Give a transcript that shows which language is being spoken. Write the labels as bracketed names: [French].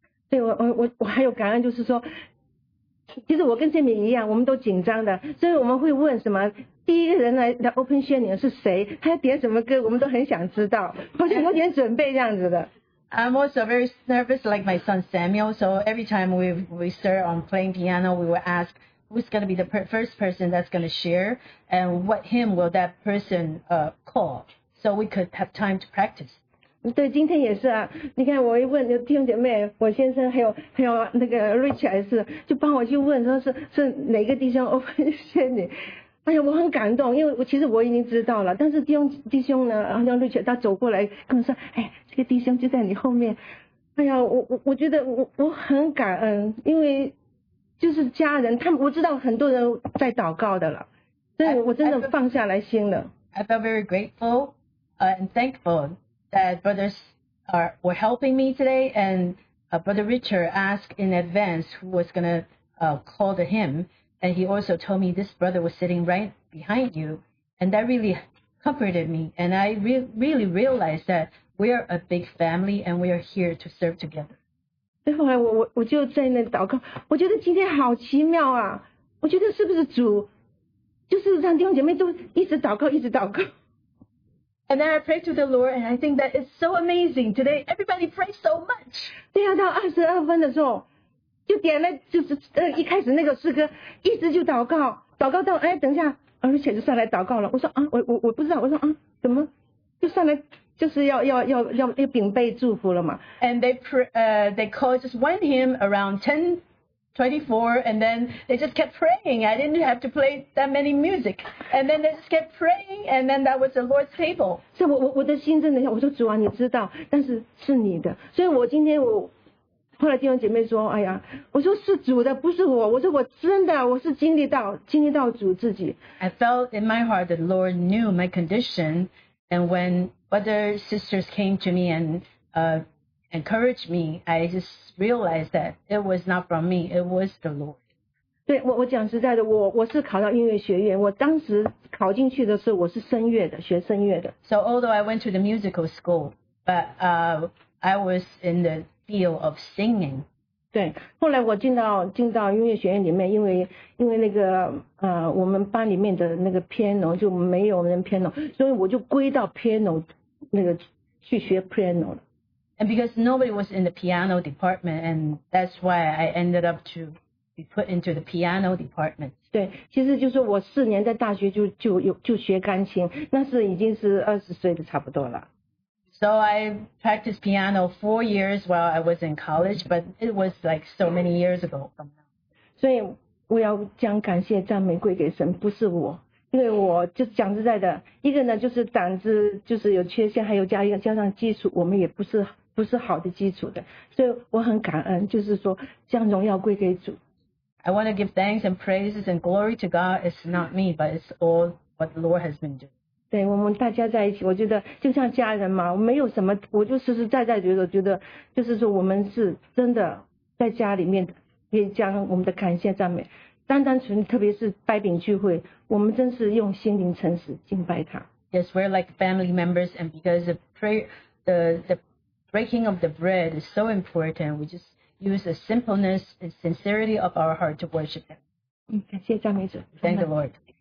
[Chinese] 对，我还有感恩，就是说其实我跟建敏一样，我们都紧张的，所以我们会问什么第一个人来的 open sharing 是谁，他点什么歌，我们都很想知道，好像有点准备这样子的。 [English] I'm also very nervous like my son Samuel, so every time we start on playing piano, we will ask who's going to be the first person that's going to share and what hymn will that person call so we could have time to practice. [Chinese] 对，今天也是啊，你看我一问弟兄姐妹，我先生还有那个 Richard 是就帮我去问，说是哪个弟兄 open sharing。哎呀，我很感动，因为其实我已经知道了，但是弟兄呢，然后叫瑞雪，他走过来跟我说，哎，这个弟兄就在你后面。哎呀，我觉得我很感恩，因为就是家人，他们我知道很多人在祷告的了，所以我真的放下来心了。 [English] I felt very grateful, and thankful that brothers were helping me today, and brother Richard asked in advance who was gonna call the hymn. And he also told me this brother was sitting right behind you. And that really comforted me. And I really realized that we are a big family and we are here to serve together. [Chinese] 然后我就在那祷告，我觉得今天好奇妙啊，我觉得是不是主就是让弟兄姐妹都一直祷告一直祷告。 [English] And then I prayed to the Lord and I think that is so amazing. Today everybody prays so much. [Chinese] 对啊，到22分的时候就点了，就是一开始那个诗歌，一直就祷告，祷告到哎，等一下，而且就上来祷告了。我说啊，我不知道，我说啊，怎么就上来就是要禀贝祝福了嘛 [English] ？And they called just one hymn around 10:24, and then they just kept praying. I didn't have to play that many music, and then they just kept praying, and then that was the Lord's table. [Chinese] 所以我的心真的，我说主啊，你知道，但是你的，所以我今天我。后来弟兄姐妹说：“哎呀，我说是主的，不是我。我说我真的，我是经历到主自己。” [English] I felt in my heart that the Lord knew my condition, and when other sisters came to me and encouraged me, I just realized that it was not from me, it was the Lord. [Chinese] 对我讲实在的，我是考到音乐学院，我当时考进去的时候，我是声乐的，学声乐的。 [English] So although I went to the musical school, but I was in the feel of singing. [Chinese] 对，后来我进到音乐学院里面，因为那个我们班里面的那个 piano 就没有人 piano， 所以我就归到 piano 那个去学 piano 了。 [English] And because nobody was in the piano department, and that's why I ended up to be put into the piano department. [Chinese] 对，其实就是我四年在大学就学钢琴，那是已经是20岁的差不多了。 [English] So I practiced piano 4 years while I was in college, but it was like so many years ago. [Chinese] 所以我要将感谢赞美归给神，不是我，因为我就讲实在的，一个呢就是胆子就是有缺陷，还有加上基础，我们也不是好的基础的，所以我很感恩，就是说将荣耀归给主。 [English] I want to give thanks and praises and glory to God. It's not me, but it's all what the Lord has been doing. [Chinese] 对我们大家在一起，我觉得就像家人嘛，我没有什么，我就实实在在觉得，就是说我们是真的在家里面，也将我们的感谢赞美，单单纯，特别是拜饼聚会，我们真是用心灵诚实敬拜他。 [English] Yes, we're like family members, and because the breaking of the bread is so important, we just use the simpleness and sincerity of our heart to worship Him. [Chinese] 感谢赞美主。 [English] Thank the Lord.